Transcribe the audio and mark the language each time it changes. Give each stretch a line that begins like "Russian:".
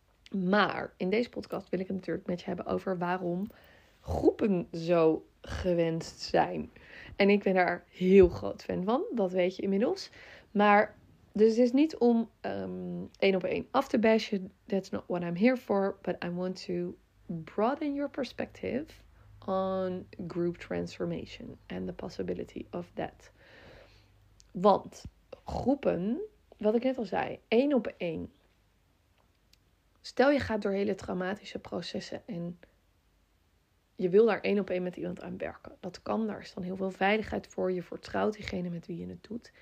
Dutch: Maar in deze podcast wil ik het natuurlijk met je hebben over waarom groepen zo gewenst zijn. En ik ben daar heel groot fan van, dat weet je inmiddels. Maar dus het is niet om 1-op-1 af te bashen.
English: That's not what I'm here for. But I want to broaden your perspective on group transformation and the possibility of that.
Dutch: Want groepen, wat ik net al zei, 1-op-1. Stel je gaat door hele traumatische processen en je wil daar 1-op-1 met iemand aan werken. Dat kan, daar is dan heel veel veiligheid voor. Je vertrouwt diegene met wie je het doet.